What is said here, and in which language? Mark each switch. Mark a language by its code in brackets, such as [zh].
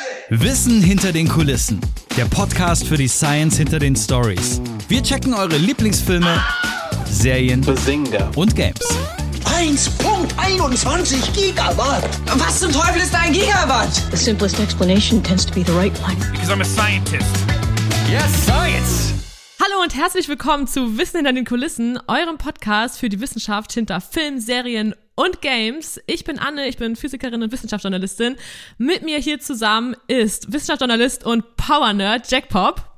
[de] Wissen hinter den Kulissen. Der Podcast für die Science hinter den Stories. Wir checken eure Lieblingsfilme, Serien, [en] Bazinga [de] und Games. 1,21 Gigawatt! Was zum Teufel ist ein Gigawatt? [en] The simplest explanation tends to be the right one. Because I'm a scientist. Yes, science! [de] Hallo und herzlich willkommen zu Wissen hinter den Kulissen, eurem Podcast für die Wissenschaft hinter Film, Serien und Games. Ich bin Anne, ich bin Physikerin und Wissenschaftsjournalistin. Mit mir hier zusammen ist Wissenschaftsjournalist und Power-Nerd Jack Pop.